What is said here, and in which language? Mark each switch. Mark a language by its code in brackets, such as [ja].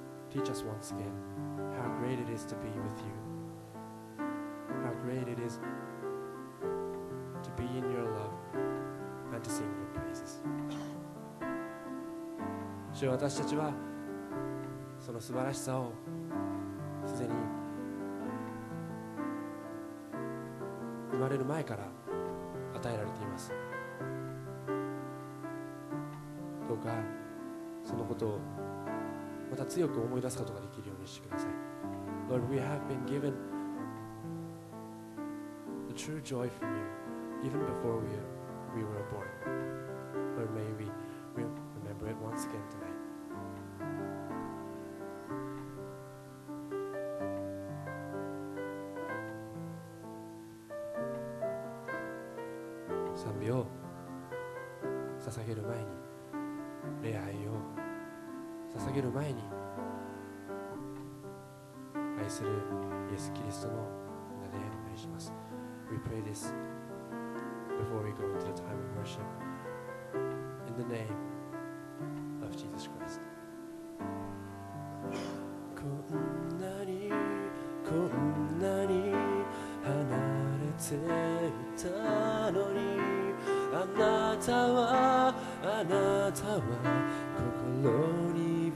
[en] Teach us once again how great it is to be with you, how great it is to be in your love and to sing your praises. [ja] 主よ、私たちはその素晴らしさをすでに生まれる前から与えられています。どうかそのことをまた強く思い出すことができるようにしてください。 [en] Lord, we have been given the true joy from you even before we were born. Lord, may we remember it once again tonight. [ja] 賛美を捧げる前に礼拝を捧げる前に愛するイエス・キリストの名でお願いします。 [en] We pray this before we go into the time of worship in the name of Jesus Christ. [ja] こんなにこんなに離れていたのに、あなたはあなたは心に